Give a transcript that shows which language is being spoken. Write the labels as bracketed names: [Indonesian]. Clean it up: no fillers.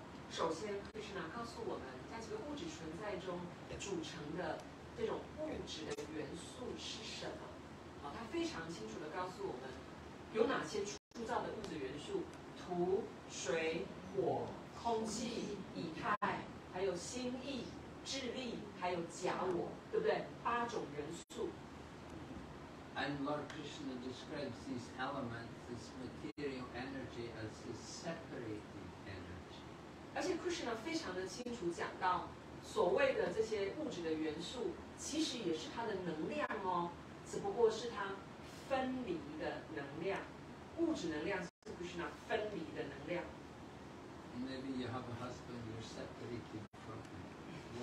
[Chinese] 首先 Krishna 告诉我们在这个物质存在中组成的这种物质的元素是什么，他非常清楚地告诉我们有哪些铸造的物质元素，土、水、火、空气、以太，还有心意、智力，还有假我，对不对？八种元素。 [English] And Lord Krishna describes these elements, this material energy, as the separating energy. [Chinese] 而且 Krishna 非常的清楚讲到，所谓的这些物质的元素，其实也是它的能量哦，只不过是它分离的能量。物质能量是 Krishna 分离的能量。 [English] Maybe you have a husband, you're separated from him.